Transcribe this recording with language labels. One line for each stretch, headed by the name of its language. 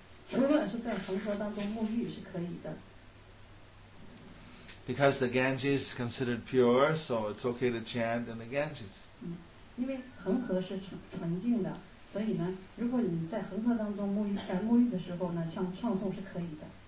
Chinese: 除了是在恒河当中沐浴是可以的。
English: Because the Ganges is considered pure, so it's okay to chant in the Ganges.
Chinese: 因为恒河是纯净的，所以呢，如果你在恒河当中沐浴的时候呢，唱诵是可以的。